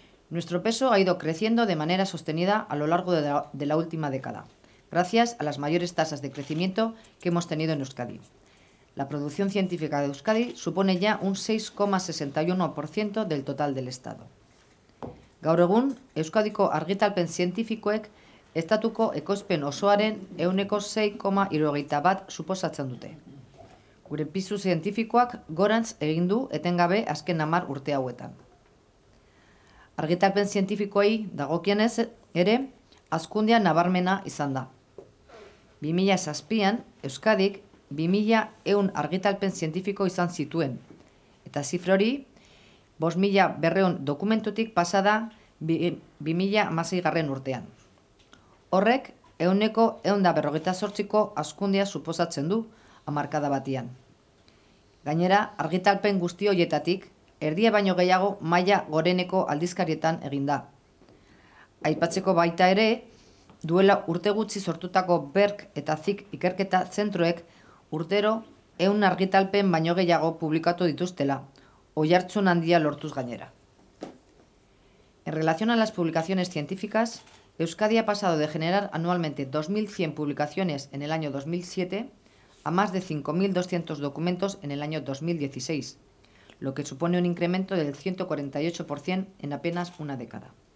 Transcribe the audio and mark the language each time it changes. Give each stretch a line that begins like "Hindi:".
Spanish: Nuestro peso ha ido creciendo de manera sostenida a lo largo de la última década, gracias a las mayores tasas de crecimiento que hemos tenido en Euskadi. La producción científica de Euskadi supone ya un 6,61% del total del Estado.
Basque: Gaur egun, Euskadiko argitalpen zientifikoek estatuko ekoizpen osoaren 6,71% suposatzen dute. Gure pisu zientifikoak gorantz egin du etengabe azken 10 urte hauetan. Argitalpen zientifikoei dagokienez ere, hazkundea nabarmena izan da. 2007an, Euskadik 2100 argitalpen zientifiko izan zituen, eta zifra hori 5200 dokumentutik pasa da 2016 urtean. Horrek, 148%ko hazkundea suposatzen du hamarkada batean. Gainera, argitalpen guzti horietatik, erdia baino gehiago maila goreneko aldizkarietan eginda. Aipatzeko baita ere, duela urte gutxi sortutako BERK eta ZIK ikerketa zentroek urtero 100 argitalpen baino gehiago publikatu dituztela, oihartzun handia lortuz gainera.
Spanish: En relación a las publicaciones científicas, Euskadi ha pasado de generar anualmente 2.100 publicaciones en el año 2007 a más de 5.200 documentos en el año 2016, lo que supone un incremento del 148% en apenas una década.